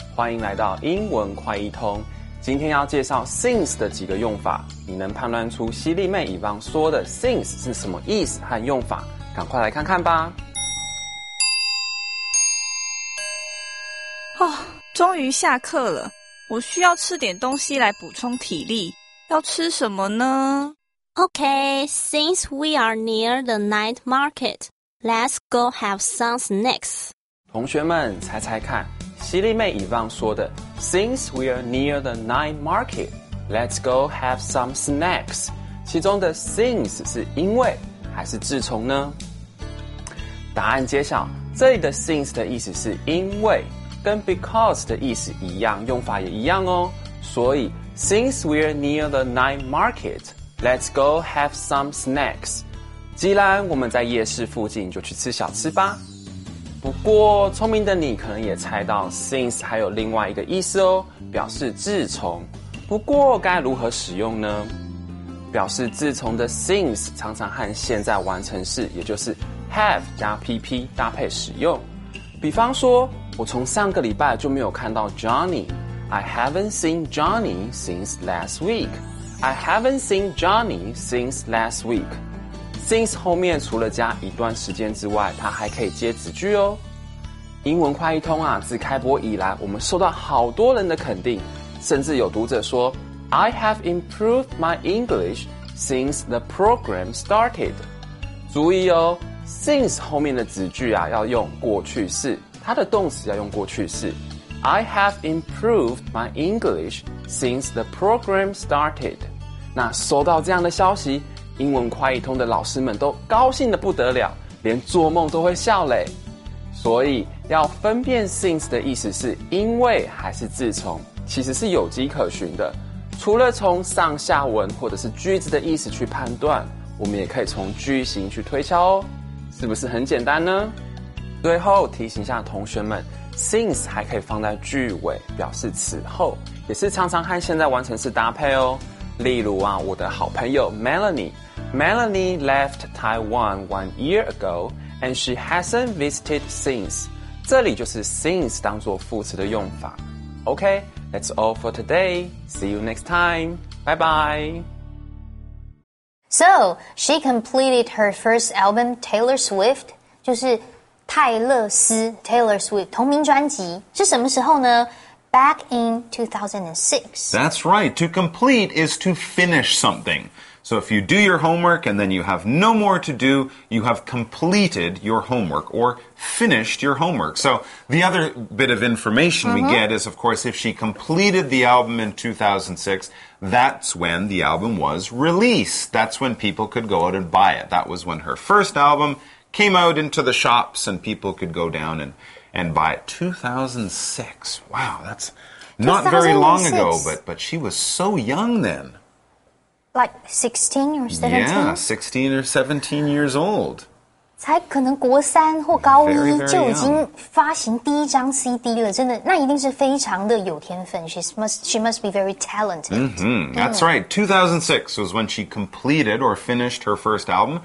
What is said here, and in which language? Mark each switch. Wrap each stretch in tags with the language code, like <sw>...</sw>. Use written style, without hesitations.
<zh>欢迎来到英文快一通，今天要介绍 since 的几个用法，你能判断出犀利妹以往说的 since 是什么意思和用法，赶快来看看吧。哦，终于下课了，我需要吃点东西来补充体力，要吃什么呢？</zh> <en>OK, since we are near the night market, let's go have some snacks.</en> <zh>同学们猜猜看，犀利妹以往说的</zh> <en>Since we are near the night market, let's go have some snacks.</en> <zh>其中的 since 是因为还是自从呢？答案揭晓，这里的 since 的意思是因为，跟 because 的意思一样，用法也一样哦。所以</zh> <en>since we are near the night market, let's go have some snacks.</en> <zh>既然我们在夜市附近，就去吃小吃吧。不过聪明的你可能也猜到 since 还有另外一个意思哦，表示自从，不过该如何使用呢？表示自从的 since 常常和现在完成式，也就是 have 加 PP 搭配使用。比方说，我从上个礼拜就没有看到</zh> <en>Johnny， I haven't seen Johnny since last week， I haven't seen Johnny since last week。</en> <zh>Since 后面除了加一段时间之外，它还可以接子句哦。英文快一通啊，自开播以来，我们受到好多人的肯定，甚至有读者说</zh> <en>I have improved my English since the program started.</en> <zh>注意哦， since 后面的子句啊，要用过去式，它的动词要用过去式。</zh> <en>I have improved my English since the program started.</en> <zh>那收到这样的消息，英文快一通的老师们都高兴得不得了，连做梦都会笑嘞。所以要分辨 since 的意思是因为还是自从，其实是有迹可循的。除了从上下文或者是句子的意思去判断，我们也可以从句型去推敲哦。是不是很简单呢？最后提醒一下同学们， since 还可以放在句尾，表示此后，也是常常和现在完成式搭配哦。例如啊，我的好朋友</zh> <en>Melanie left Taiwan 1 year ago and she hasn't visited since.</en> <zh>这里就是 since 当作副词的用法。</zh> <en>OK, that's all for today. See you next time. Bye bye. So, she completed her first album, Taylor Swift,</en> <zh>就是泰勒斯</zh> <en>Taylor Swift</en> <zh>同名专辑，是什么时候呢？</zh> <en>Back in 2006. That's right. To complete is to finish something. So if you do your homework and then you have no more to do, you have completed your homework or finished your homework. So the other bit of information we get is, of course, if she completed the album in 2006, that's when the album was released. That's when people could go out and buy it. That was when her first album came out into the shops and people could go down and by 2006. Wow, that's not very long ago, but she was so young then. Like 16 or 17? Yeah, 16 or 17 years old.</en> <zh>才可能国三或高一就已经发行第一张 CD 了，真的，那一定是非常的有天分。</zh> <en>She must be very talented. Mm-hmm. That's right. 2006 was when she completed or finished her first album.</en>